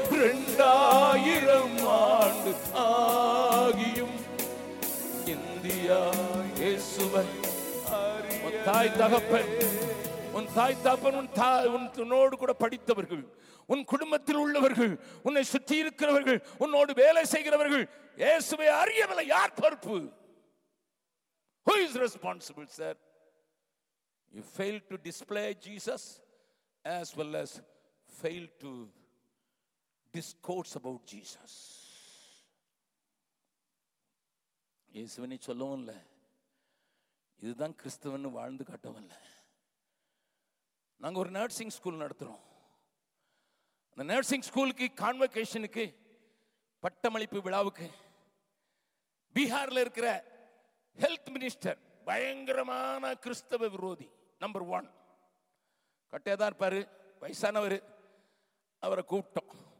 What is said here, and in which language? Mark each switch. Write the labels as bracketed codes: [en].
[ta] 2000 ஆண்டு ஆகியும் இந்தியா இயேசுவை தாய் தகப்பன் உன் தாய் தகப்பன் உன் தாய் உன்னோடு கூட படித்தவர்கள், உன் குடும்பத்தில் உள்ளவர்கள், உன்னை சுற்றி இருக்கிறவர்கள், உன்னோடு வேலை செய்கிறவர்கள் இயேசுவை அறியவில்லை. யார் பொறுப்பு? [en] Who is responsible, sir? You failed to display Jesus as well as failed to discourse about Jesus. [ta] இயேசுவை சொல்லவும் இல்லை, இதுதான் கிறிஸ்துவன்னு வாழ்ந்து காட்டவும் இல்லை. நாங்கள் ஒரு நர்சிங் ஸ்கூல் நடத்துகிறோம். அந்த நர்சிங் ஸ்கூலுக்கு கான்வகேஷனுக்கு பட்டமளிப்பு விழாவுக்கு பீகாரில் இருக்கிற ஹெல்த் மினிஸ்டர் பயங்கரமான கிறிஸ்தவ விரோதி நம்பர் ஒன், கட்டையாக தான் இருப்பார், வயசானவர். அவரை கூப்பிட்டோம்.